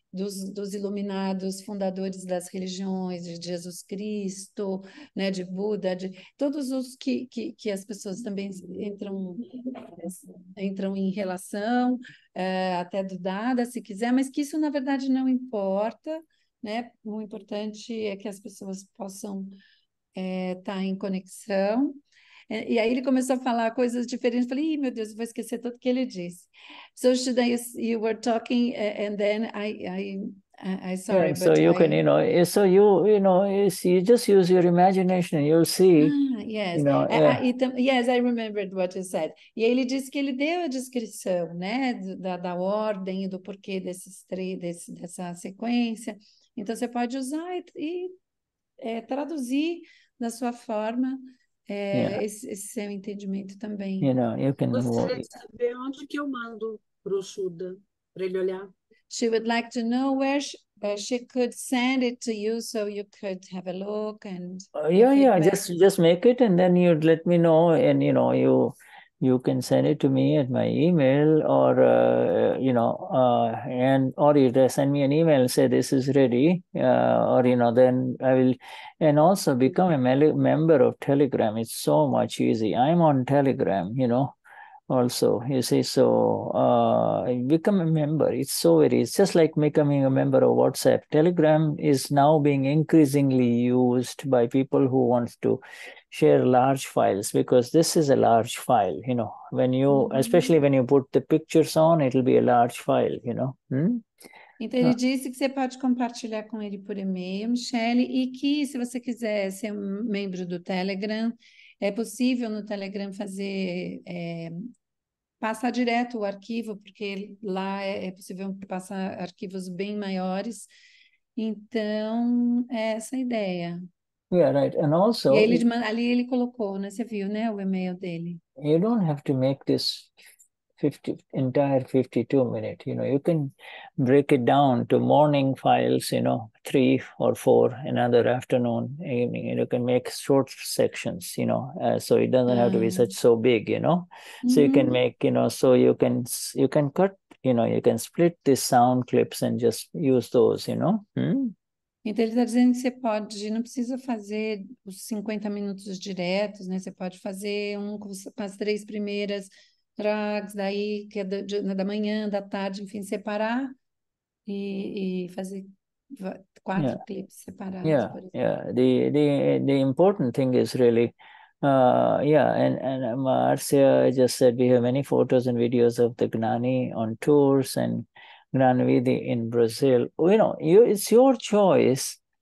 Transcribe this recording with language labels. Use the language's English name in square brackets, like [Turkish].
[Portuguese] dos iluminados fundadores das religiões, de Jesus Cristo, né, de Buda, de todos os que as pessoas também entram em relação, até do Dada, se quiser, mas que isso, na verdade, não importa, né? O importante é que as pessoas possam estar em conexão. E aí ele começou a falar coisas diferentes. Eu falei, ih, meu Deus, eu vou esquecer tudo que ele disse. [English] So, Shuddha, you were talking, and then I'm sorry. so but you I... can, you know, so you, you know, it's, you just use your imagination, and you'll see. Yes. You know, yes, I remembered what you said. [Portuguese] E aí ele disse que ele deu a descrição, né, da ordem e do porquê dessa sequência. Então, você pode usar e traduzir na sua forma. Esse seu entendimento também. [English] You know, you can... [Portuguese] Gostaria de saber onde que eu mando para o Shuddha, para ele olhar. [English] She would like to know where she could send it to you so you could have a look and... Just make it and then you'd let me know and, you know, you can send it to me at my email or, you know, or you send me an email and say this is ready, or, you know, then I will, and also become a member of Telegram. It's so much easy. I'm on Telegram, you know, also, you see, so become a member. It's so very, it's just like becoming a member of WhatsApp. Telegram is now being increasingly used by people who want to share large files, because this is a large file, you know, when you, mm-hmm. especially when you put the pictures on, it'll be a large file, you know. [Portuguese] Então ele disse que você pode compartilhar com ele por e-mail, Michelle, e que se você quiser ser um membro do Telegram, é possível no Telegram fazer, passar direto o arquivo, porque lá é possível passar arquivos bem maiores, então é essa a ideia. [English] Yeah, right. And also, [Portuguese] ele colocou, né? Você viu, né? O e-mail dele. [English] You don't have to make this 52 minute. You know, you can break it down to morning files. You know, 3 or 4. Another afternoon, evening. You can make short sections. You know, so it doesn't have to be such so big. You know, so you can make. You know, so you can cut. You know, you can split the sound clips and just use those. You know. [Portuguese] Então, ele está dizendo que você pode, não precisa fazer os 50 minutos diretos, né? Você pode fazer um com as três primeiras raags, daí, que é da manhã, da tarde, enfim, separar e fazer quatro clipes separados, por exemplo. [English] Yeah, the important thing is really, and Marcia just said we have many photos and videos of the Gnani on tours and Gnan Vidhi in Brazil. You know, it's your choice.